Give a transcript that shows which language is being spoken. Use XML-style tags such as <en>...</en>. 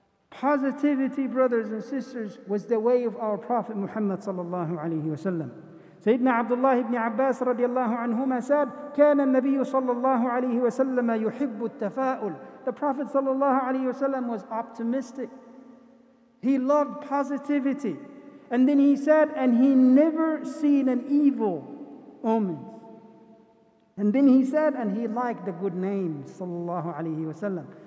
<en>Positivity, brothers and sisters, was the way of our Prophet Muhammad sallallahu alayhi wa sallam. Sayyidina Abdullah ibn Abbas radiallahu anhuma said,</en> <ar>كَانَ النَّبِيُّ صَلَّى اللَّهُ عَلَيْهِ وَسَلَّمَ يُحِبُّ التَّفَاؤُلُ.</ar> <en>The Prophet sallallahu alayhi wa sallam was optimistic. He loved positivity. And then he said, and he never seen an evil omen. And then he said, and he liked the good name, sallallahu alayhi wa sallam.</en>